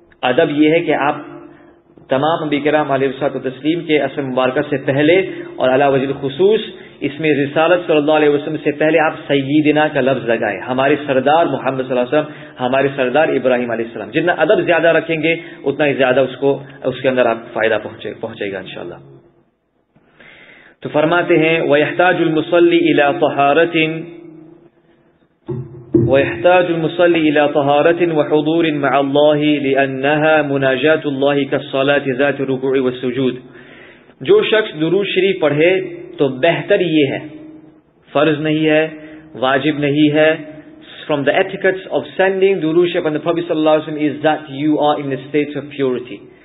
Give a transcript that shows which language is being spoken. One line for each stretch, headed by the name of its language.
Urdu: ادب یہ ہے کہ آپ تمام انبیاء کرام علیہ الصلوۃ والتسلیم کے اسم مبارکہ سے پہلے اور علی وجہ الخصوص اسم رسالت صلی اللہ علیہ وسلم سے پہلے آپ سیدنا کا لفظ لگائیں, ہمارے سردار محمد صلی اللہ علیہ وسلم, ہمارے سردار ابراہیم علیہ السلام. جتنا ادب زیادہ رکھیں گے اتنا ہی زیادہ اس کے اندر آپ فائدہ پہنچے گا انشاءاللہ. تو فرماتے ہیں
Arabic: وَيَحْتَاجُ الْمُصَلِّ إِلَىٰ طَهَارَةٍ ويحتاج المصلي إلى طهارة وحضور مع الله لأنها مناجاة الله كالصلاة ذات الركوع والسجود.
Urdu: جو شخص درود شریف پڑھے تو بہتر یہ ہے, فرض نہیں ہے, واجب نہیں ہے.
English: From the etiquettes of sending درود شریف on the Prophet صلی اللہ علیہ وسلم is that you are in a state of purity.